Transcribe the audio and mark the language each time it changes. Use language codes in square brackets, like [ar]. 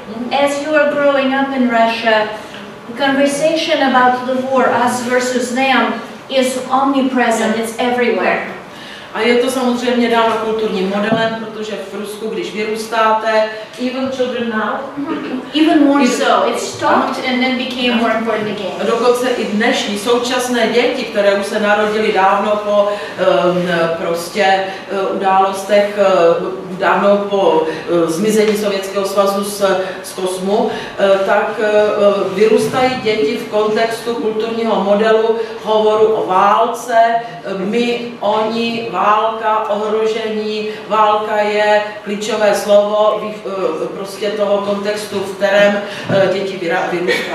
[en] As you are growing up in Russia, the conversation about the war, us versus them, is omnipresent, it's everywhere. [cs] A je to samozřejmě dáno kulturním modelem, protože v Rusku, když vyrůstáte, [en] even children now, even more so, it stopped and then became more important again. [cs] Dokonce i dnešní současné děti, které už se narodily dávno po prostě událostech dávno po zmizení Sovětského svazu z kosmu, tak vyrůstají děti v kontextu kulturního modelu hovoru o válce, my, oni, válka, ohrožení, válka je klíčové slovo prostě toho kontextu, v kterém děti vyrůstají.